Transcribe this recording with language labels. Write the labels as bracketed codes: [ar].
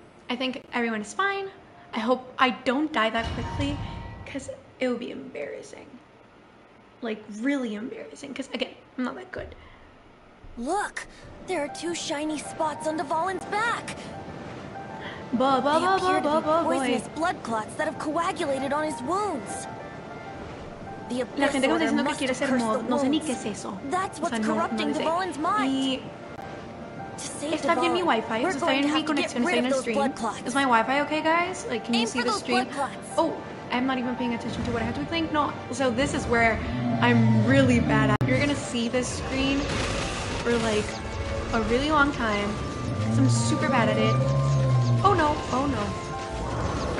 [en] I think everyone is fine. I hope I don't die that quickly because it would be embarrassing. Like, really embarrassing because, again, I'm not that good. Look, there are two shiny spots on Devalin's back. Poisonous blood clots that have coagulated on his wounds. [es] La gente como diciendo que quiere ser mod, no sé ni qué es eso. [en] That's what's corrupting the Devalin's mind. [es] Está bien mi Wi-Fi, está bien mi conexión, está bien el stream. [en] Is my Wi-Fi okay, guys? Like, can you see the stream? Oh, I'm not even paying attention to what I have to think. No, so this is where I'm really bad at. You're gonna see this screen for like a really long time. So I'm super bad at it. Oh no, oh no.